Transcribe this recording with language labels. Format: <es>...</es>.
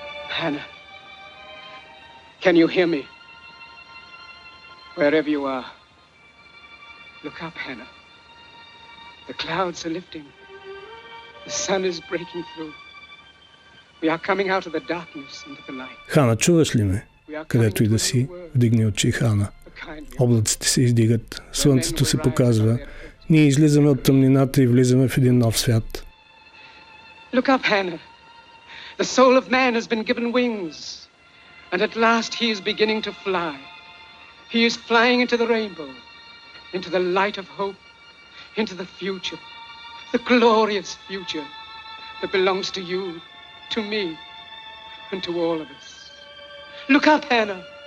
<en>Хана, can you hear me? Wherever you are, look up, Хана. The clouds are lifting. The sun is breaking through. We are coming out of the darkness into the light.</en> <bg>Хана, чуваш ли ме? Където и да си, вдигни очи, Хана. Облаците се издигат, слънцето се показва. Ние излизаме от тъмнината и влизаме в един нов свят.</bg> <en>Look up, Хана. The soul of man has been given wings. And at last he is beginning to fly. He is flying into the rainbow, into the light of hope. Into the future, the glorious future that belongs to you, to me, and to all of us. Look up, Хана!</en>